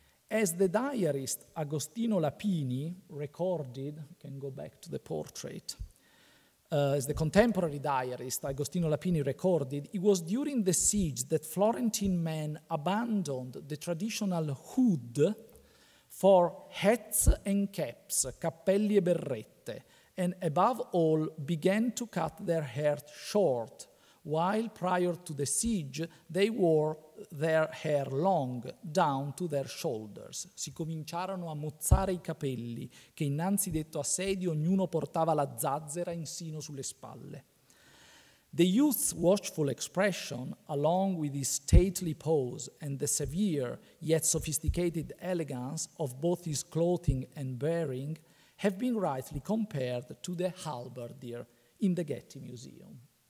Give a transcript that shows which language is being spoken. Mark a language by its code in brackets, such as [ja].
[en] As the diarist Agostino Lapini recorded, can go back to the portrait, as the contemporary diarist Agostino Lapini recorded, it was during the siege that Florentine men abandoned the traditional hood for hats and caps, [it] cappelli e berrette, [en] and above all began to cut their hair short, while prior to the siege they wore their hair long down to their shoulders. [it] Si cominciarono a mozzare i capelli che innanzi detto assedio ognuno portava la zazzera insino sulle spalle. [en] The youth's watchful expression, along with his stately pose and the severe yet sophisticated elegance of both his clothing and bearing, have been rightly compared to the halberdier in the Getty Museum.